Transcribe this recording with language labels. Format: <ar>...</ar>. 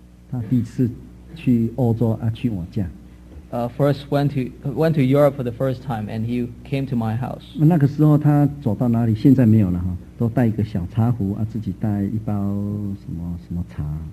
<zh>他第一次去欧洲啊，去我家。</zh> <en>First went to Europe for the first time, and he came to my house.</en> <zh>那个时候他走到哪里，现在没有了哈，都带一个小茶壶啊，自己带一包什么什么茶。</zh>